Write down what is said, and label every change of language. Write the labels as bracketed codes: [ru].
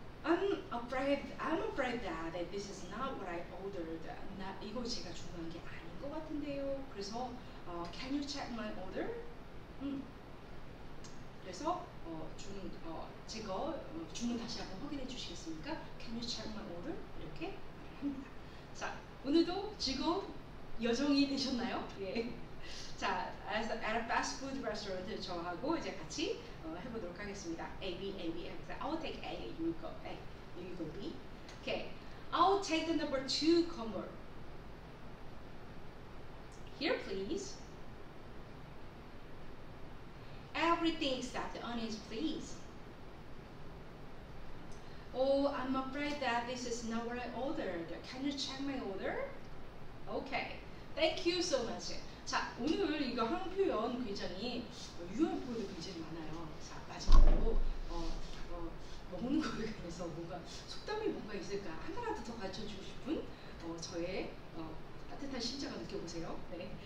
[en] I'm afraid that this is not what I ordered. [ko] 나 이거 제가 주문한 게 아닌 것 같은데요. [en] 그래서 can you check my order? [ko] 그래서 주문 다시 한번 확인해 주시겠습니까? [en] Can you check my order? [ko] 이렇게 합니다. 자, 오늘도 즐거운 여정이 되셨나요? 예. 자, [en] as at a fast food restaurant [ko] 저하고 이제 같이 해보도록 하겠습니다. A, B. [en] I'll take A, you go A, you go B. Okay. I'll take the number two combo. Here, please. Everything except the onions, please. Oh, I'm afraid that this is not what I ordered. Can you check my order? Okay. Thank you so much. [ko] 자, 오늘 이거 한 표현 굉장히 유용한 표현이 굉장히 많아요. 자, 마지막으로 먹는 거에 대해서 뭔가 속담이 뭔가 있을까? 하나라도 더 가르쳐 주고 싶은 저의 따뜻한 심장을 느껴보세요. 네.